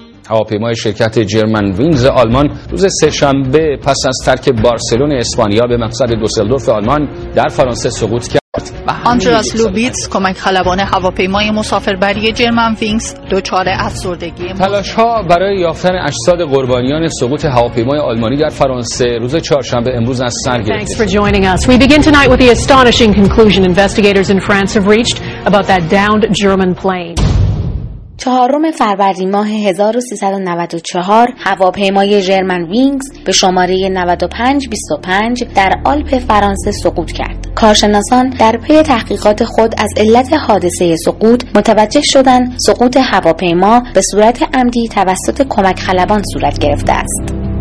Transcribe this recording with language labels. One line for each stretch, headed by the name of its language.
Persian: هواپیمای شرکت جرمن وینگز آلمان روز سه‌شنبه پس از ترک بارسلون اسپانیا به مقصد دوسلدورف آلمان در فرانسه سقوط کرد. آنجلاس لوبیتس، کمک خلبان هواپیمای مسافربری جرمن وینگز، دچار افسردگی. تلاش‌ها برای یافتن اجساد قربانیان سقوط هواپیمای آلمانی در فرانسه روز چهارشنبه امروز از سر گرفت.
English: Thanks for joining us. We begin tonight with the astonishing conclusion investigators in France have reached about that downed German plane.
Persian: 4 فروردین ماه 1394 هواپیمای جرمن وینگز به شماره 9525 در آلپ فرانسه سقوط کرد. کارشناسان در پی تحقیقات خود از علت حادثه سقوط متوجه شدند سقوط هواپیما به صورت عمدی توسط کمک خلبان صورت گرفته است.